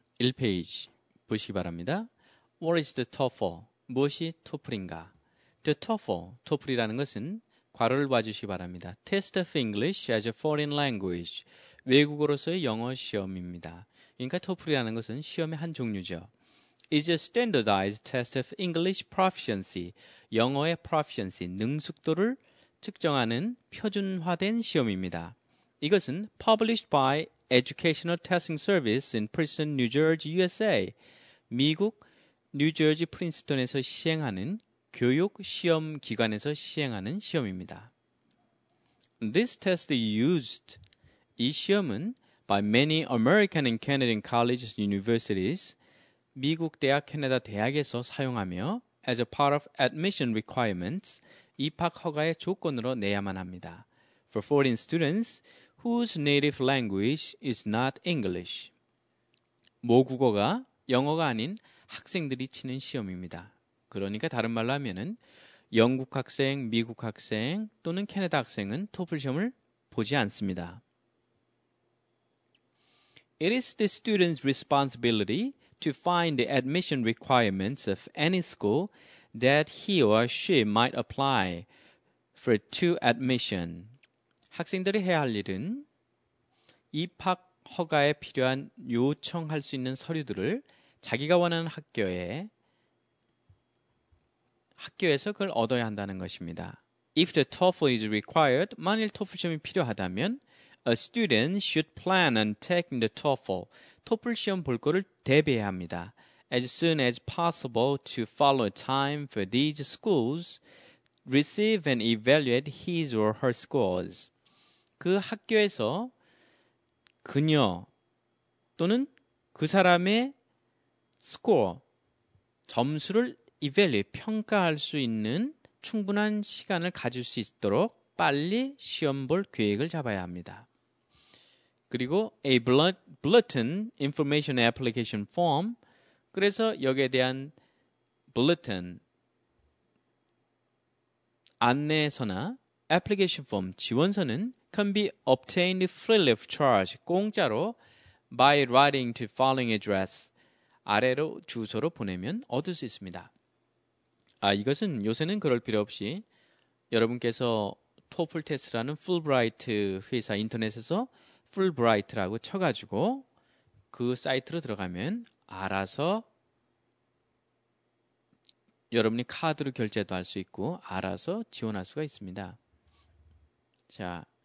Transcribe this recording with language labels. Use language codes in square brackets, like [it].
[ko] 1페이지 보시기 바랍니다. [en] What is the TOEFL? [ko] 무엇이 TOEFL인가? The TOEFL, TOEFL이라는 것은 괄호를 봐주시기 바랍니다. [en] Test of English as a foreign language. [ko] 외국어로서의 영어 시험입니다. 그러니까 TOEFL이라는 것은 시험의 한 종류죠. [en] It's a standardized test of English proficiency. [ko] 영어의 proficiency, 능숙도를 측정하는 표준화된 시험입니다. [en] 이것은 published by Educational Testing Service in Princeton, New Jersey, USA. [ko] 미국 뉴저지 프린스턴에서 시행하는 교육 시험 기관에서 시행하는 시험입니다. [en] This test is used [ko] 이 시험은 [en] by many American and Canadian colleges and universities [ko] 미국 대학 캐나다 대학에서 사용하며 [en] as a part of admission requirements [ko] 입학 허가의 조건으로 내야만 합니다. [en] For foreign students whose native language is not English [ko] 모국어가 영어가 아닌 학생들이 치는 시험입니다. 그러니까 다른 말로 하면은 영국 학생, 미국 학생 또는 캐나다 학생은 TOEFL 시험을 보지 않습니다. [en] It is the student's responsibility to find the admission requirements of any school that he or she might apply for to admission. [ko] 학생들이 해야 할 일은 입학 허가에 필요한 요청할 수 있는 서류들을 자기가 원하는 학교에서 그걸 얻어야 한다는 것입니다. [en] If the TOEFL is required, [ko] 만일 TOEFL 시험이 필요하다면 [en] a student should plan on taking the TOEFL. [ko] TOEFL 시험 볼 거를 대비해야 합니다. [en] As soon as possible to follow time for these schools receive and evaluate his or her scores. [ko] 그 학교에서 그녀 또는 그 사람의 score, 점수를 evaluate, 평가할 수 있는 충분한 시간을 가질 수 있도록 빨리 시험 볼 계획을 잡아야 합니다. [en] 그리고 a bulletin information application form, [ko] 그래서 여기에 대한 [en] bulletin, 안내서나 application form, 지원서는 can be obtained free of charge, 공짜로 by writing to following address, [ko] 아래로 주소로 보내면 얻을 수 있습니다. 아 이것은 요새는 그럴 필요 없이 여러분께서 TOEFL 테스트라는 풀브라이트 회사 인터넷에서 풀브라이트라고 쳐가지고 그 사이트로 들어가면 알아서 여러분이 카드로 결제도 할 수 있고 알아서 지원할 수가 있습니다. 자,